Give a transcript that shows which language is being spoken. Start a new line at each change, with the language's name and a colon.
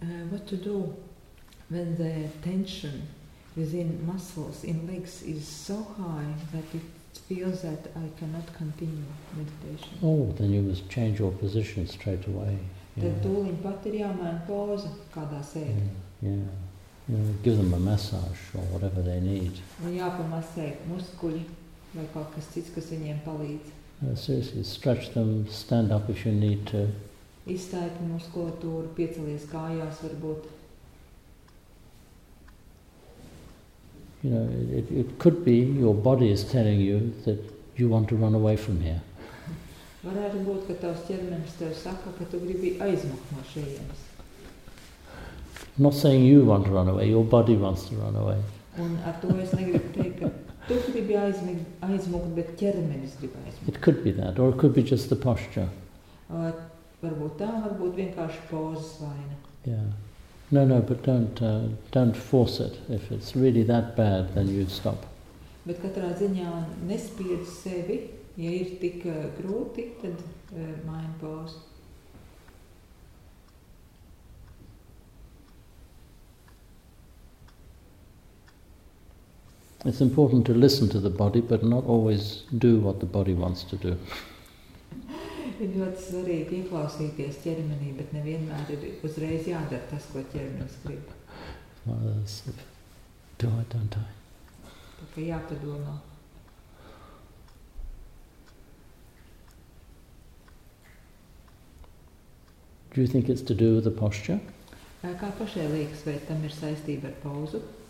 English: What to do when the tension within muscles in legs is so high that it feels that I cannot continue meditation. Oh, then you must change your position straight away.
Latvian: Tad tūliņ pat ir jāmaina poza kādā sēdē.
English: Yeah. You know, give them a massage or whatever they need.
Latvian: Un jāpamasē muskuļi vai kaut kas cits, kas viņiem palīdz.
English: Seriously, stretch them, stand up if you need to.
Latvian: Izstāj muskulatūru, piecelies kājās varbūt.
English: You know, it could be your body is telling you that you want to run away from here.
Latvian: Varētu būt, ka tavs ķermenis tev saka, ka tu gribi aizmukt no šejienes.
English: Not saying you want to run away, your body wants to run away.
Latvian: Un ar to es negribu teikt, ka tu gribi aizmukt, bet ķermenis grib aizmukt.
English: It could be that, or it could be just the posture.
Latvian: Varbūt tā, varbūt vienkārši pozas vaina.
English: No, no, but don't force it. If it's really that bad, then you stop.
Latvian: Bet katrā ziņā nespied sevi, ja ir tik grūti, tad maini pozu.
English: It's important to listen to the body, but not always do what the body wants to do.
Latvian: Ir ļoti svarīgi ieklausīties ķermenī, bet nevienmēr ir uzreiz jādara tas, ko ķermenis grib. Tā kā jāpadomā.
English: Do you think it's to do with the posture?
Latvian: Kā pašai liekas, vai tam ir saistība ar pauzu?